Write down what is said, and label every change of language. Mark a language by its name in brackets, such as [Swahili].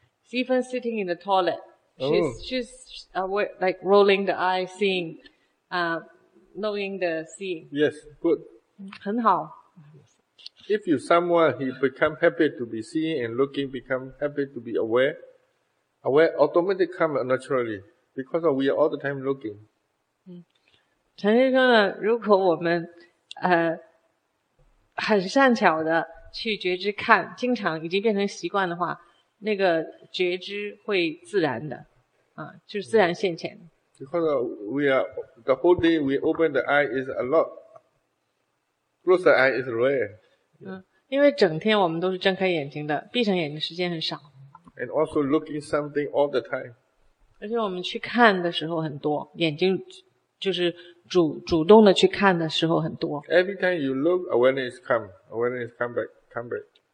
[English] Even sitting in the toilet. She's aware, like rolling the eye, seeing, knowing the seeing. Yes, good. [Chinese] 很好。 [English] If you someone, he become happy to be seeing and looking, become happy to be aware automatically come naturally, because we are all the time looking. [Chinese] 陈先生呢，如果我们很善巧的去觉知看，经常已经变成习惯的话，那个觉知会自然的，就是自然现前。 [English] Because we are, the whole day we open the eye is a lot. Close the eye is rare. [Chinese] 因为整天我们都是睁开眼睛的，闭上眼睛时间很少。 [English] And also looking something all the time. [Chinese] 而且我们去看的时候很多，眼睛就是主动的去看的时候很多。 [English] Every time you look, awareness come, awareness come back, come back.